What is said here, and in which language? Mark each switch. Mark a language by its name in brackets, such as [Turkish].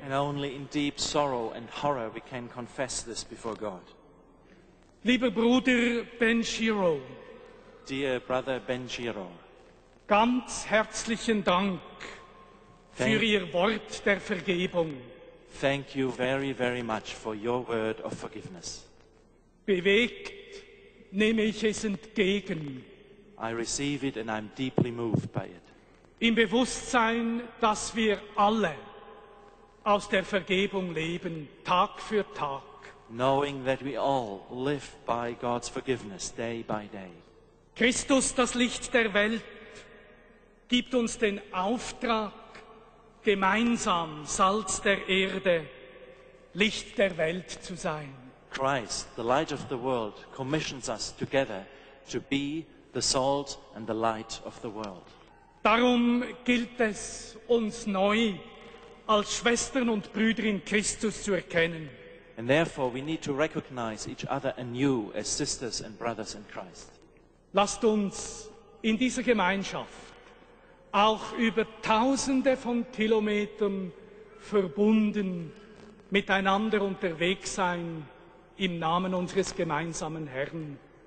[English] And only in deep sorrow and horror we can confess this before God. [German] Lieber Bruder Benjiro. [English] Dear Brother Benjiro. [German] Ganz herzlichen Dank für Ihr Wort der Vergebung. [English] Thank you very, very much for your word of forgiveness. [German] Bewegt nehme ich es entgegen. [English] I receive it and I'm deeply moved by it. [German] Im Bewusstsein, dass wir alle aus der Vergebung leben, Tag für Tag. [English] Knowing that we all live by God's forgiveness day by day. [German] Christus, das Licht der Welt, gibt uns den Auftrag, gemeinsam Salz der Erde, Licht der Welt zu sein. [English] Christ, the light of the world, commissions us together to be the salt and the light of the world. [German] Darum gilt es, uns neu als Schwestern und Brüder in Christus zu erkennen. [English] And therefore we need to recognize each other anew as sisters and brothers in Christ. [German] Lasst uns in dieser Gemeinschaft auch über tausende von Kilometern verbunden miteinander unterwegs sein im Namen unseres gemeinsamen Herrn.